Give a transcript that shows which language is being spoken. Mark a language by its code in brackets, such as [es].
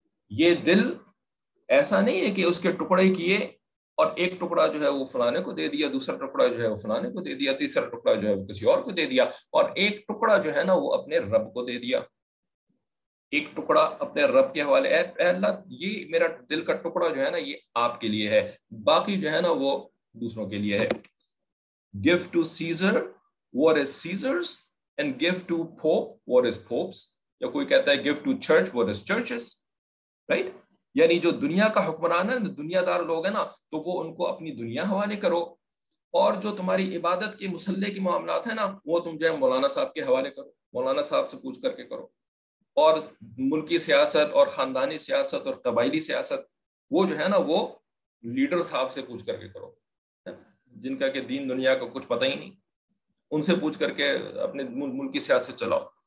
[ur] یہ دل ایسا نہیں ہے کہ اس کے ٹکڑے کیے اور ایک ٹکڑا جو ہے وہ فلانے کو دے دیا, دوسرا ٹکڑا جو ہے وہ فلانے کو دے دیا, تیسرا ٹکڑا جو ہے وہ کسی اور کو دے دیا, اور ایک ٹکڑا جو ہے نا وہ اپنے رب کو دے دیا. ایک ٹکڑا اپنے رب کے حوالے, اے اللہ یہ میرا دل کا ٹکڑا جو ہے نا یہ آپ کے لیے ہے, باقی جو ہے نا وہ دوسروں کے لیے ہے. [en] Give to Caesar what is Caesar's and give to Pope what is Pope's. [ur] یا کوئی کہتا ہے [en] give to church what is church's, right? [ur] یعنی جو دنیا کا حکمران ہے, دنیا دار لوگ ہیں نا, تو وہ ان کو اپنی دنیا حوالے کرو, اور جو تمہاری عبادت کے مسلے کے معاملات ہیں نا وہ تم جو ہے مولانا صاحب کے حوالے کرو, مولانا صاحب سے پوچھ کر کے کرو, اور ملکی سیاست اور خاندانی سیاست اور قبائلی سیاست وہ جو ہے نا وہ لیڈر صاحب سے پوچھ کر کے کرو, جن کا کہ دین دنیا کا کچھ پتہ ہی نہیں, ان سے پوچھ کر کے اپنے ملکی سیاست چلاؤ.